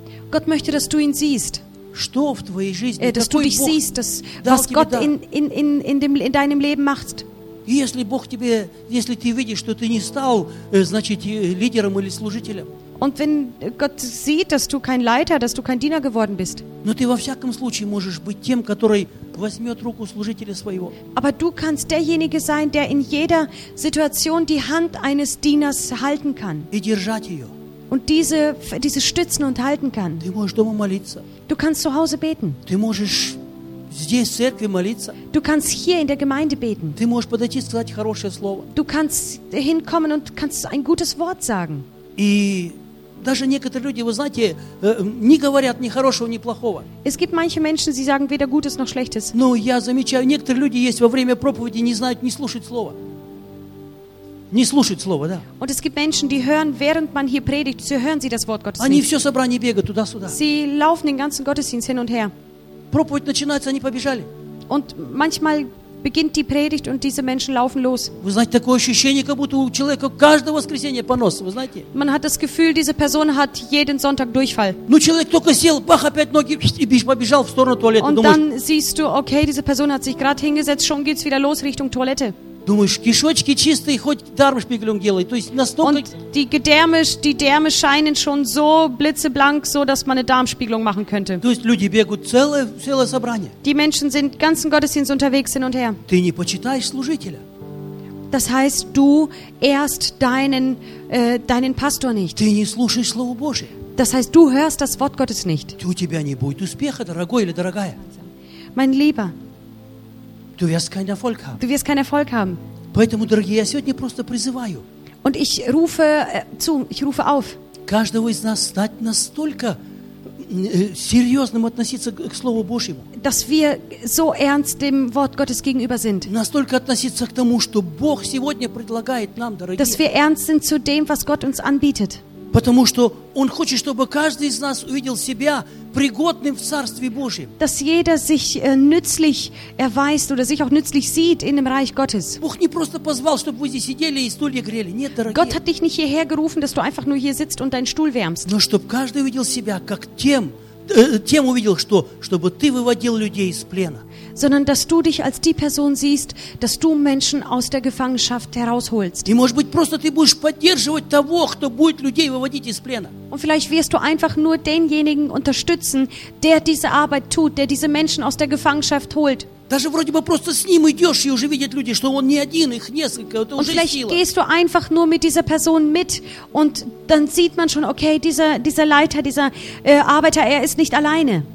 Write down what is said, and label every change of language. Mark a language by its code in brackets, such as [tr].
[de] Gott möchte, dass du ihn siehst. Dass du dich siehst, was Gott in deinem Leben macht. [ru] И если Бог тебе, если ты видишь, что ты не стал, значит, лидером или служителем. [de] Und wenn Gott sieht, dass du kein Leiter, dass du kein Diener geworden bist. [ru] Но ты во всяком случае можешь быть тем, который возьмет руку служителя своего. [de] Aber du kannst derjenige sein, der in jeder Situation die Hand eines Dieners halten kann. [ru] И держать ее. [de] Und diese stützen und halten kann. [ru] Ты можешь дома молиться. [de] Du kannst zu Hause beten. [ru] Ты можешь здесь, в церкви, молиться. [de] Du kannst hier in der Gemeinde beten. [ru] Ты можешь подойти и сказать хорошее слово. [de] Du kannst hinkommen und kannst ein gutes Wort sagen. [ru] И даже некоторые люди, вы знаете, не говорят ни хорошего, ни плохого. [de] Es gibt manche Menschen, sie sagen weder Gutes noch Schlechtes. [ru] Но я замечаю, некоторые люди есть во время проповеди не знают, не слушают слова. Не слушают слова, да. [de] Und es gibt Menschen, die hören, während man hier predigt, so hören sie das Wort Gottes nicht. [ru] Они все собрание бегают туда-сюда. [de] Sie laufen den ganzen Gottesdienst hin und her. [ru] Проповедь начинается, они побежали. [de] Und manchmal beginnt die Predigt und diese Menschen laufen los. [ru] Вы знаете, такое ощущение, как будто у человека каждое воскресенье понос, вы знаете? [de] Man hat das Gefühl, diese Person hat jeden Sonntag Durchfall. [ru] Ну, человек только сел, бах, опять ноги, и побежал в сторону туалета. [de] Und dann siehst du, okay, diese Person hat sich gerade hingesetzt, schon geht's wieder los Richtung Toilette. [ru] Думаешь, кишочки чистые, хоть Дармспиегелем делай. То есть настолько. [de] Und die Gedärme scheinen schon so blitzeblank, so dass man eine Darmspiegelung machen könnte. [ru] То есть люди бегут целое собрание. [de] Die Menschen sind ganzen Gottesdienst unterwegs hin und her. [ru] Ты не почитаешь служителя. [de] Das heißt, du ehrst deinen Pastor nicht. [ru] Ты не слушаешь слово Божие. [de] Das heißt, du hörst das Wort Gottes nicht. [ru] У тебя не будет успеха, дорогой или дорогая. [de] Mein Lieber. Du wirst keinen Erfolg haben. Du wirst keinen Erfolg haben. [ru] Поэтому, дорогие, я сегодня просто призываю. [de] Und ich rufe auf. [ru] Каждого из нас стать настолько серьезным относиться к Слову Божьему. [de] Dass wir so ernst dem Wort Gottes gegenüber sind. [ru] Настолько относиться к тому, что Бог сегодня предлагает нам, дорогие. [de] Dass wir ernst sind zu dem, was Gott uns anbietet. [ru] Потому что Он хочет, чтобы каждый из нас увидел себя пригодным в Царстве Божьем. [de] Dass jeder sich nützlich erweist oder sich auch nützlich sieht in dem Reich Gottes. [ru] Бог не просто позвал, чтобы вы здесь сидели и стулья грели. Нет, дорогие. [de] Gott hat dich nicht hierher gerufen, dass du einfach nur hier sitzt und deinen Stuhl wärmst. [ru] Но чтобы каждый увидел себя как тем увидел, что, чтобы ты выводил людей из плена. [de] Sondern dass du dich als die Person siehst, dass du Menschen aus der Gefangenschaft herausholst. [ru] И, может быть, просто ты будешь поддерживать того, кто будет людей выводить из плена. [de] Und vielleicht wirst du einfach nur denjenigen unterstützen, der diese Arbeit tut, der diese Menschen aus der Gefangenschaft holt. [ru] Даже вроде бы просто с ним идешь, и уже видят люди, что он не один, их несколько, это уже сила. [de] Und vielleicht gehst du einfach nur mit dieser Person mit und dann sieht man schon, okay, dieser Leiter, dieser Arbeiter, er ist nicht alleine.